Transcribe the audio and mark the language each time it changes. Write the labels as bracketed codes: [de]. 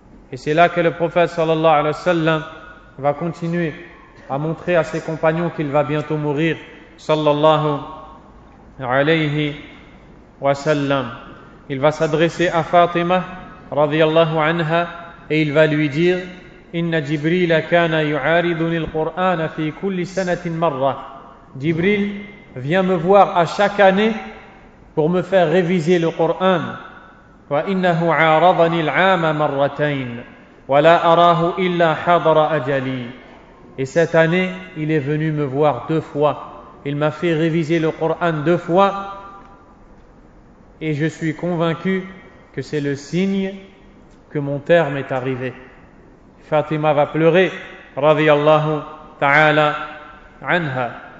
[fr] Et c'est là que le prophète sallallahu alayhi wa sallam va continuer à montrer à ses compagnons qu'il va bientôt mourir, sallallahu alayhi wa sallam. Il va s'adresser à Fatima radiyallahu anha et il va lui dire [ar] إن جبريل كان يعارضني القرآن في كل سنة مرة. [fr] جبريل vient me voir à chaque année pour me faire réviser le Coran. [ar] وإنه عارضني العام مرتين ولا أراه إلا حضر أجلي. [fr] Et cette année, il est venu me voir deux fois. Il m'a fait réviser le Coran deux fois. Et je suis convaincu que c'est le signe que mon terme est arrivé. Fatima va pleurer, radiyallahu ta'ala anha.